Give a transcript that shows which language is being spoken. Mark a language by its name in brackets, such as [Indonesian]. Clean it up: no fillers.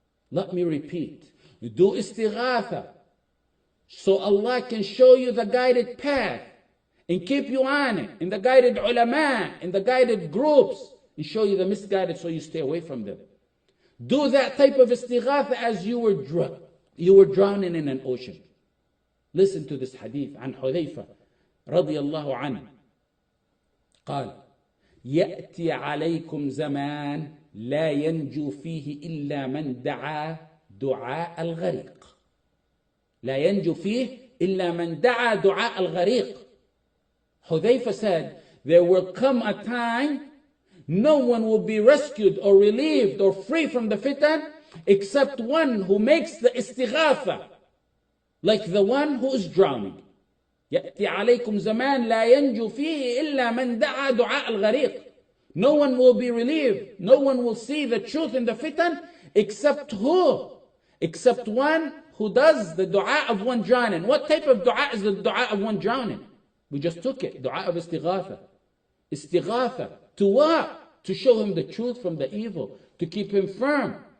[English] Let me repeat. Do istighatha so Allah can show you the guided path and keep you on it, in the guided ulama, in the guided groups, and show you the misguided so you stay away from them. Do that type of istighatha as you were drowning in an ocean. Listen to this hadith [Arabic] عن حذيفة رضي الله عنه. قال يأتي عليكم زمان لا ينجو فيه إلا من دعا دعاء الغريق. لا ينجو فيه إلا من دعا دعاء الغريق. [English] Hudhayfa said, there will come a time no one will be rescued or relieved or free from the fitan except one who makes the istighatha, like the one who is drowning. [Arabic] يأتي عليكم زمان لا ينجو فيه إلا من دعا دعاء الغريق. [English] No one will be relieved. No one will see the truth in the fitan except who? Except one who does the dua of one drowning. What type of dua is the dua of one drowning? We just took it. Dua of istighatha. Istighatha. To what? To show him the truth from the evil. To keep him firm.